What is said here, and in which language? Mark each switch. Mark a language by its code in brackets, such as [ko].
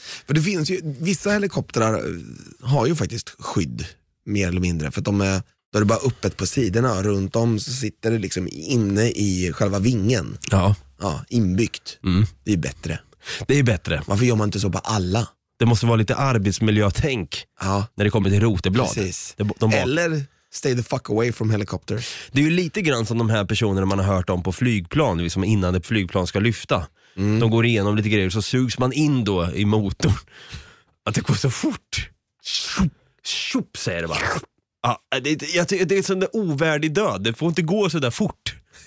[sv] För det finns ju, vissa helikoptrar har ju faktiskt skydd, mer eller mindre. För att då är det bara öppet på sidorna, runt om så sitter det liksom inne i själva vingen. Ja. Ja, inbyggt. Mm. Det är bättre. Det är bättre. Varför gör man inte så på alla? Det måste vara lite arbetsmiljötänk, ja, när det kommer till roteblad. Precis. Eller [en] stay the fuck away from helicopters. [sv] Det är ju lite grann som de här personerna man har hört om på flygplan, liksom innan ett flygplan ska lyfta. Mm. De går igenom lite grejer så sugs man in då i motorn. Att det går så fort. Tjup, tjup, säger det bara. Ja, det är en sån där ovärdig död. Det får inte gå så där fort.